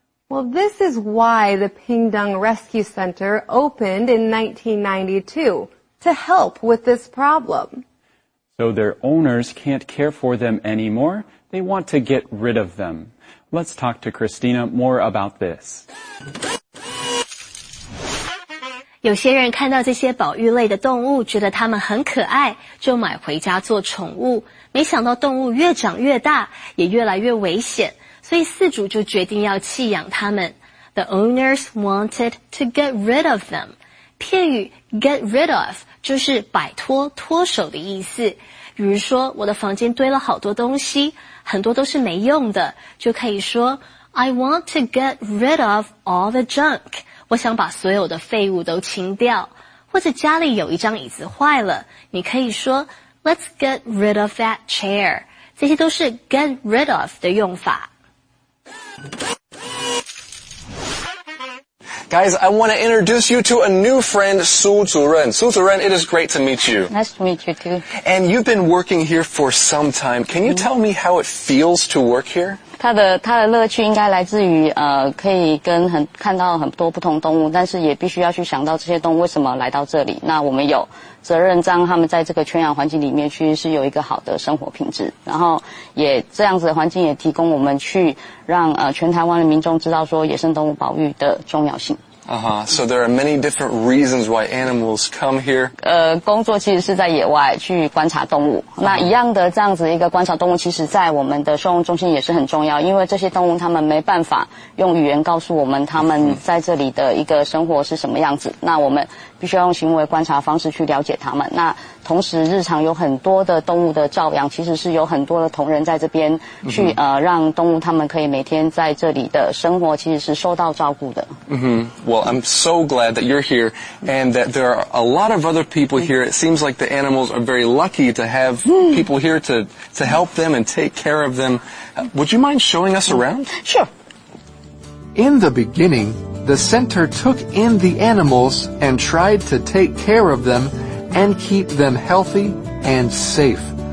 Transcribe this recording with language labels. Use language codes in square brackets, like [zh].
[en] Well, this is why the Pingdong Rescue Center opened in 1992, to help with this problem. So their owners can't care for them anymore. They want to get rid of them. Let's talk to Christina more about this. [zh] 有些人看到这些保育类的动物，觉得它们很可爱，就买回家做宠物。没想到动物越长越大，也越来越危险。所以饲主就决定要弃养它们。 [en] The owners wanted to get rid of them. [zh] 片语 get rid of 就是摆脱、脱手的意思。比如说，我的房间堆了好多东西，很多都是没用的，就可以说 [en] I want to get rid of all the junk. [zh] 我想把所有的废物都清掉。或者家里有一张椅子坏了，你可以说 [en] Let's get rid of that chair. [zh] 这些都是 get rid of 的用法。 [en] Guys, I want to introduce you to a new friend, Su Zuren. Su Zuren, it is great to meet you. Nice to meet you too. And you've been working here for some time. Can you tell me how it feels to work here? [zh] 它的乐趣应该来自于可以跟很看到很多不同动物，但是也必须要去想到这些动物为什么来到这里。那我们有责任让他们在这个圈养环境里面去是有一个好的生活品质，然后也这样子的环境也提供我们去让全台湾的民众知道说野生动物保育的重要性。 [en] So there are many different reasons why animals come here. [zh] 工作其实是在野外去观察动物。那一样的这样子一个观察动物，其实在我们的收容中心也是很重要，因为这些动物它们没办法用语言告诉我们它们在这里的一个生活是什么样子。那我们必须要用行为观察方式去了解它们。那同时日常有很多的动物的照养，其实是有很多的同仁在这边去让动物它们可以每天在这里的生活其实是受到照顾的。 [en] Well, I'm so glad that you're here and that there are a lot of other people here. It seems like the animals are very lucky to have people here to help them and take care of them. Would you mind showing us around? Sure. In the beginning, the center took in the animals and tried to take care of them and keep them healthy and safe.